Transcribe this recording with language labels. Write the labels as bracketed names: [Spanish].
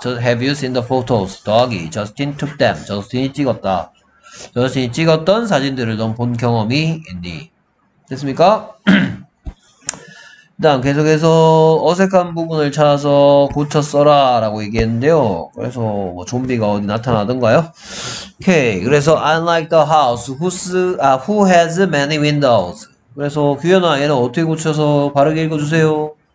[English] Just have you seen the photos? [Korean] 더하기 [English] Justin took them. [Korean] Justin이 찍었다. Justin이 찍었던 사진들을 본 경험이 있니? 됐습니까? 일단 계속해서 어색한 부분을 찾아서 고쳐 써라 라고 얘기했는데요. 그래서 뭐 좀비가 어디 나타나던가요? 오케이. 그래서 [English] unlike the house, who has many windows? [Korean] 그래서 규현아 얘는 어떻게 고쳐서 바르게 읽어주세요.